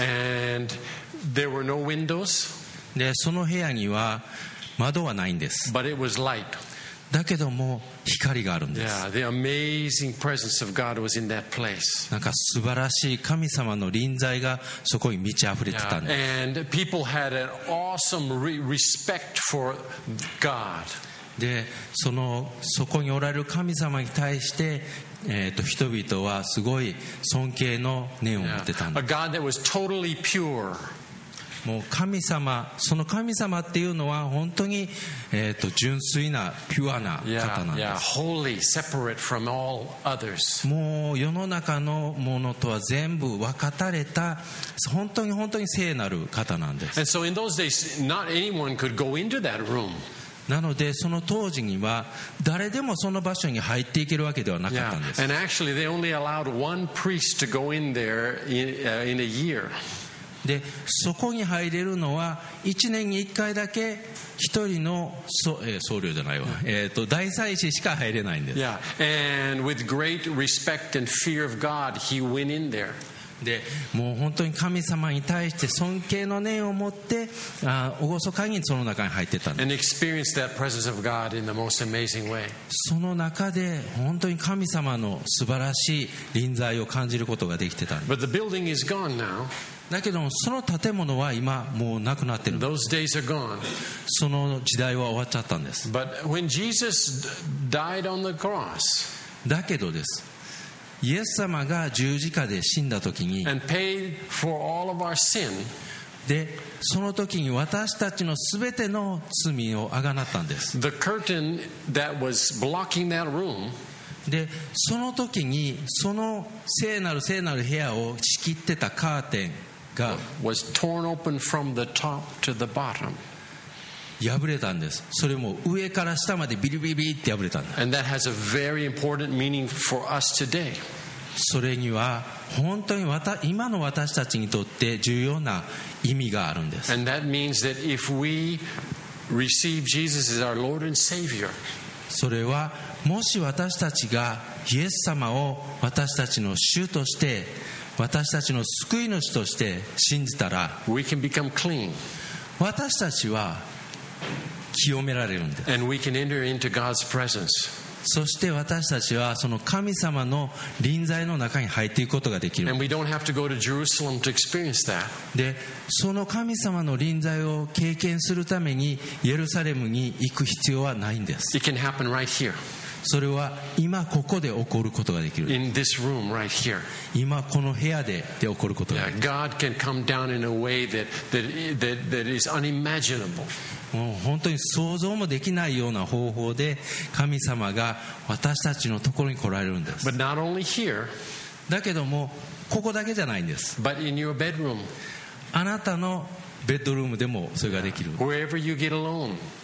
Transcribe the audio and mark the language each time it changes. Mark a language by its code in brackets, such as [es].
[en] And there were no windows. [ja] で、その部屋には窓はないんです。 [en] But it was light. [ja] だけども光があるんです。 [en] Yeah, the amazing presence of God was in that place. [ja] なんか素晴らしい神様の臨在がそこに満ち溢れてたんです。 [en] And people had an awesome respect for God. [ja] でそこにおられる神様に対して、人々はすごい尊敬の念を持ってたんです。 [en] A God that was totally pure. [ja] もう神様、その神様っていうのは本当に、純粋なピュアな方なんです。 [en] Yeah, yeah. Holy, separate from all others. [ja] もう世の中のものとは全部分かたれた本当に本当に聖なる方なんです。 [en] And so in those days, not anyone could go into that room. [ja] なのでその当時には誰でもその場所に入っていけるわけではなかったんです。 [en] Yeah. And actually they only allowed one priest to go in there in a year. [ja] でそこに入れるのは1年に1回だけ1人の僧侶じゃないわ、大祭司しか入れないんです。 [en] Yeah. And with great respect and fear of God, he went in there. [ja] でもう本当に神様に対して尊敬の念を持って厳かにその中に入ってたんです。 [en] And experienced that presence of God in the most amazing way. [ja] その中で本当に神様の素晴らしい臨在を感じることができてたんです。 [en] But the building is gone now. [ja] だけどもその建物は今もうなくなってるんです。 [en] Those days are gone. [ja] その時代は終わっちゃったんです。 [en] But when Jesus died on the cross. [ja] だけどですイエス様が十字架で死んだ時に [en] and paid for all of our sin, [ja] でその時に私たちの全ての罪をあがなったんです。 [en] The curtain that was blocking that room, [ja] でその時にその聖なる聖なる部屋を仕切ってたカーテンが [en] was torn open from the top to the bottom. [ja] 破れたんです。それも上から下までビリビリビリって破れたんです。 [en] And that has a very important meaning for us today. [ja] それには本当に今の私たちにとって重要な意味があるんです。 [en] And that means that if we receive Jesus as our Lord and Savior, [ja] それはもし私たちがイエス様を私たちの主として私たちの救い主として信じたら [en] we can become clean. [ja] 私たちは清められるんです。 [en] And we can enter into God's presence. [ja] そして私たちはその神様の臨在の中に入っていくことができる。 [en] And we don't have to go to Jerusalem to experience that. [ja] で、その神様の臨在を経験するためにイエルサレムに行く必要はないんです。 [en] It can happen right here. [ja] それは今ここで起こることができる。 [en] In this room right here. [ja] 今この部屋で起こることができる。 [en] Yeah, God can come down in a way that is unimaginable. [ja] もう本当に想像もできないような方法で神様が私たちのところに来られるんです。 [en] But not only here, [ja] だけどもここだけじゃないんです。 [en] But in your bedroom, [ja] あなたのベッドルームでもそれができる。 [en] Wherever you get alone,